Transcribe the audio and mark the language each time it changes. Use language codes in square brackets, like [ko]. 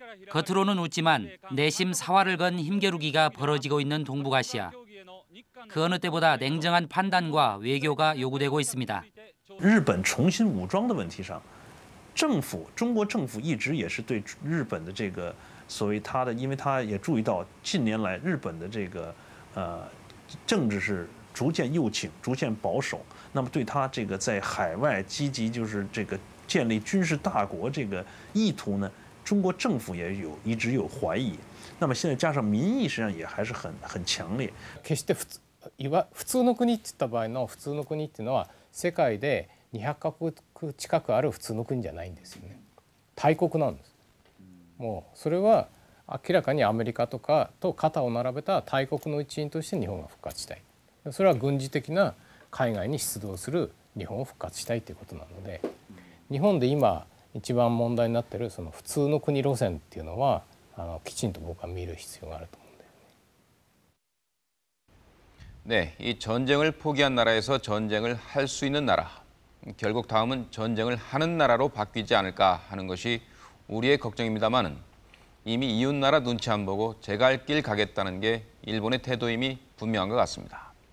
[ko] 겉으로는 웃지만 내심 사활을 건 힘겨루기가 벌어지고 있는 동북아시아. 그 어느 때보다 냉정한 판단과 외교가 요구되고 있습니다. 일본 정신 우정의 문제상 [zh] 政府中国政府一直也是对日本的这个所谓他的，因为他也注意到近年来日本的这个政治是逐渐右倾、逐渐保守。那么对他这个在海外积极就是这个建立军事大国这个意图呢，中国政府也有一直有怀疑。那么现在加上民意实际上也还是很强烈。 [ja] 決して普通の国って言った場合の普通の国っていうのは世界で 200カ国近くある普通の国じゃないんですよね。大国なんです。もうそれは明らかにアメリカとかと肩を並べた大国の一員として日本が復活したい。それは軍事的な海外に出動する日本を復活したいということなので、日本で今一番問題になっているその普通の国路線っていうのはきちんと僕は見る必要があると。 [ko] 네, 이 전쟁을 포기한 나라에서 전쟁을 할 수 있는 나라. 결국 다음은 전쟁을 하는 나라로 바뀌지 않을까 하는 것이 우리의 걱정입니다만은 이미 이웃나라 눈치 안 보고 제가 할 길 가겠다는 게 일본의 태도임이 분명한 것 같습니다.